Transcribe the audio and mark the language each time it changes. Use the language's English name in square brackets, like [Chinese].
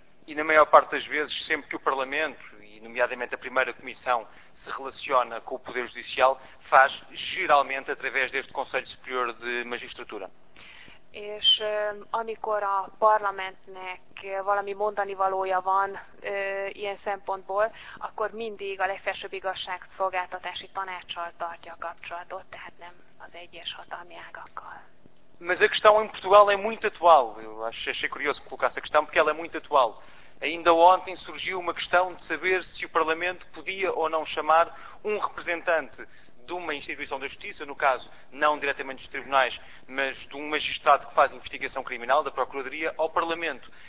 [Portuguese] E na maior parte das vezes, sempre que o Parlamento, e nomeadamente a primeira comissão, se relaciona com o Poder Judicial, faz geralmente através deste Conselho Superior de Magistratura. [Hungarian] És amikor a parlamentnek valami mondani valója van ilyen szempontból, akkor mindig a legfelsőbb igazságszolgáltatási tanáccsal tartja a kapcsolatot, tehát nem az egyes hatalmi ágakkal. [Portuguese] Mas a questão em Portugal é muito atual. Eu achei curioso que colocasse a questão, porque ela é muito atual. Ainda ontem surgiu uma questão de saber se o Parlamento podia ou não chamar um representante de uma instituição da justiça, no caso, não diretamente dos tribunais, mas de um magistrado que faz investigação criminal, da Procuradoria, ao Parlamento.